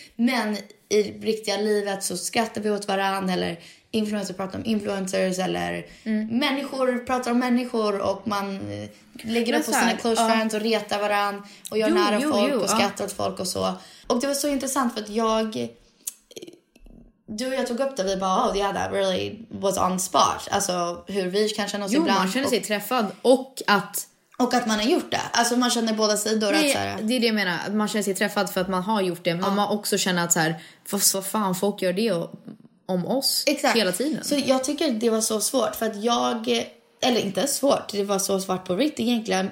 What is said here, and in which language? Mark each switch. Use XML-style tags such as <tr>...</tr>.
<sv>Men i riktiga livet så skrattar vi åt varandra. Eller influencers pratar om influencers. Eller människor pratar om människor. Och man... lägger upp på sina close friends och retar varandra. Och gör nära folk och skrattar åt folk och så. Och det var så intressant för att jag... Du och jag tog upp det. Vi bara,</sv> <en>oh yeah, that really was on spot.</en> <sv>Alltså hur vi kan känna oss ibland. Jo, man känner sig träffad och att... Och att man har gjort det. Alltså man känner båda sidor. Nej, det är det jag menar. Man känner sig träffad för att man har gjort det. Men man också känner att så här, vad fan folk gör det om oss hela tiden. Så jag tycker det var så svårt för att jag... Eller inte svårt, det var så svårt på riktigt egentligen.</sv>